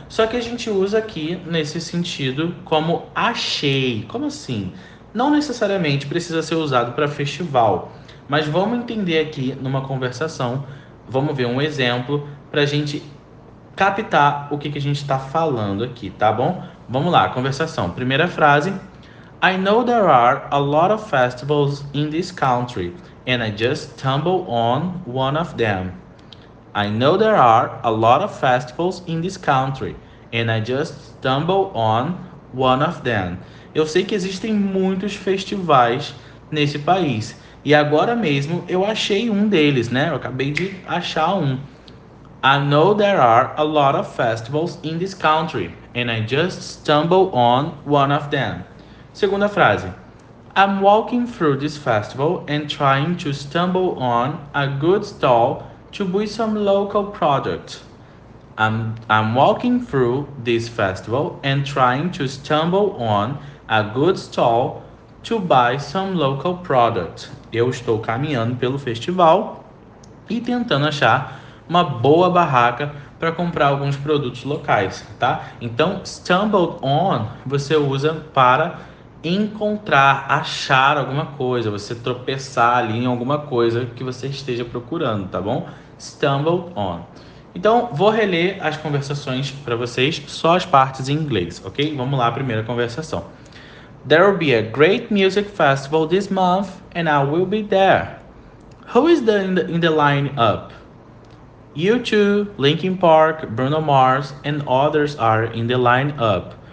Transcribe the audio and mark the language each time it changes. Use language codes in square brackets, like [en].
[pt] Só que a gente usa aqui nesse sentido como achei. Como assim? Não necessariamente precisa ser usado para festival, mas vamos entender aqui numa conversação, vamos ver um exemplo para a gente captar o que a gente está falando aqui, tá bom? Vamos lá, conversação. Primeira frase: [en] I know there are a lot of festivals in this country, and I just stumbled on one of them. I know there are a lot of festivals in this country, and I just stumbled on one of them. [pt] Eu sei que existem muitos festivais nesse país e agora mesmo eu achei um deles, né? Eu acabei de achar um. [en] I know there are a lot of festivals in this country, and I just stumbled on one of them. [pt] Segunda frase: [en] I'm walking through this festival and trying to stumble on a good stall to buy some local products. I'm walking through this festival and trying to stumble on a good stall to buy some local products. [pt] Eu estou caminhando pelo festival e tentando achar uma boa barraca para comprar alguns produtos locais, tá? Então, stumbled on você usa para encontrar, achar alguma coisa, você tropeçar ali em alguma coisa que você esteja procurando, tá bom? Stumbled on. Então, vou reler as conversações para vocês, só as partes em inglês, ok? Vamos lá, primeira conversação. [en] There will be a great music festival this month and I will be there. Who is in the lineup? U2, Linkin Park, Bruno Mars and others are in the lineup.